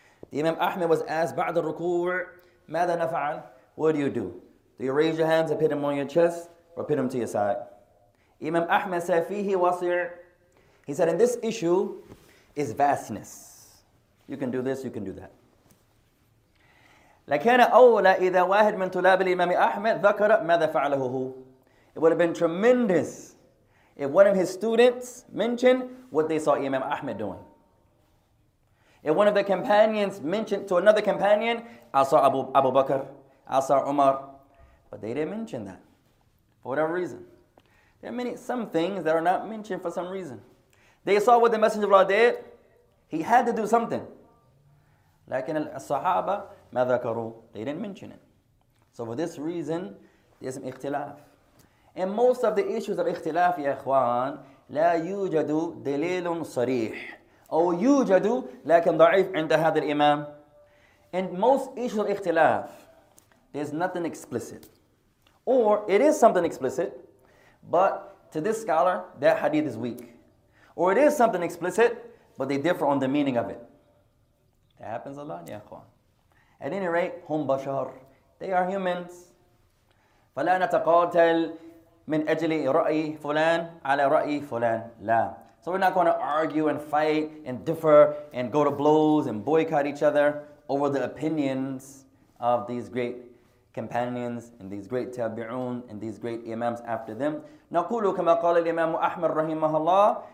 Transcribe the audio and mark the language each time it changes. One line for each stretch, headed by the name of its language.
English: Imam Ahmed was asked,
Arabic: بعد الركوع, ماذا نفعل?
English: What do? Do you raise your hands and put them on your chest or put them to your side? Imam Ahmed said,
Arabic: فيه واسع.
English: He said, in this issue is vastness. You can do this, you can do that.
Arabic: لكان أولى إذا واحد من طلاب الإمام أحمد ذكر ماذا فعله هو.
English: It would have been tremendous if one of his students mentioned what they saw Imam Ahmed doing. If one of the companions mentioned to another companion, I saw Abu Bakr, I saw Umar. But they didn't mention that for whatever reason. There are many, some things that are not mentioned for some reason. They saw what the Messenger of Allah did. He had to do something.
Arabic: لكن الصحابة ما ذكروا.
English: They didn't mention it. So for this reason, there's some اختلاف. And most of the issues of ikhtilaf, ya ikhwan,
Arabic: لا يوجد دليل صريح. أو يوجد لكن ضعيف عند هذا الإمام.
English: And most issues of ikhtilaf, there's nothing explicit. Or it is something explicit, but to this scholar, that hadith is weak. Or it is something explicit, but they differ on the meaning of it. That happens a lot, ya ikhwan. At any rate,
Arabic: هم بشر.
English: They are humans.
Arabic: فلا نتقاتل من أجل رأي فلان على رأي فلان لا.
English: So we're not going to argue and fight and differ and go to blows and boycott each other over the opinions of these great companions and these great tabi'un and these great imams after them.
Arabic: نقول كما قال الإمام أحمد رحمه الله.